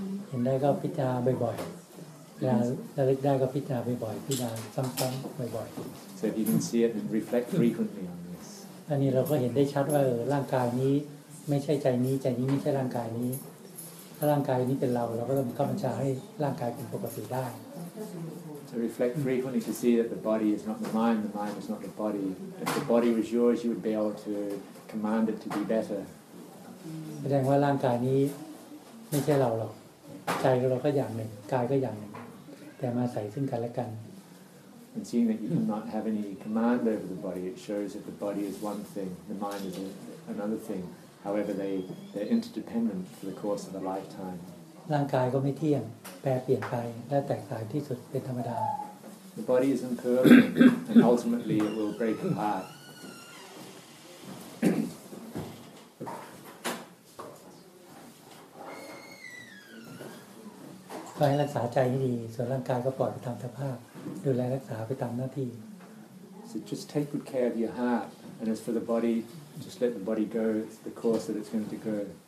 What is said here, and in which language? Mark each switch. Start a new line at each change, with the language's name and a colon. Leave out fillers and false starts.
Thai: เห็นได้ก็พิจารณาบ่อยๆแล้วระลึกได้ก็พิจารณาบ่อยๆพิจารณาซ้ำๆบ่อย
English: ๆ so you can see it and reflect frequently on this
Thai: อันนี้เราก็เห็นได้ชัดว่าร่างกายนี้ไม่ใช่ใจนี้ใจนี้ไม่ใช่ร่างกายนี้ถ้าร่างกายนี้เป็นเราเราก็ต้องเข้าบัญชาให้ร่างกายเป็นปกติได้
English: to reflect frequently to see that the body is not the mind is not the body if the body was yours you would be able to command it to be better
Thai: แสดงว่าร่างกายนี้ไม่ใช่เราหรอกใจเราก็อย่างหนึ่งกายก็อย่างหนึ่งแต่มาใส่ซึ่งกันและกัน
English: And seeing that you cannot have any command over the body, it shows that the body is one thing, the mind is another thing. However, they're interdependent for the course of a lifetime.
Thai: ร่างกายก็ไม่เที่ยงแปรเปลี่ยนไปและแตกสลายที่สุดเป็นธรรมดา
English: The body is impermanent, and ultimately it will break apart.
Thai: ก็ให้รักษาใจให้ดีส่วนร่างกายก็ปล่อยไปตามสภาพดูแลรักษาไปตามหน้าที่
English: So just take good care of your heart and as for the body just let the body go the course that it's going to go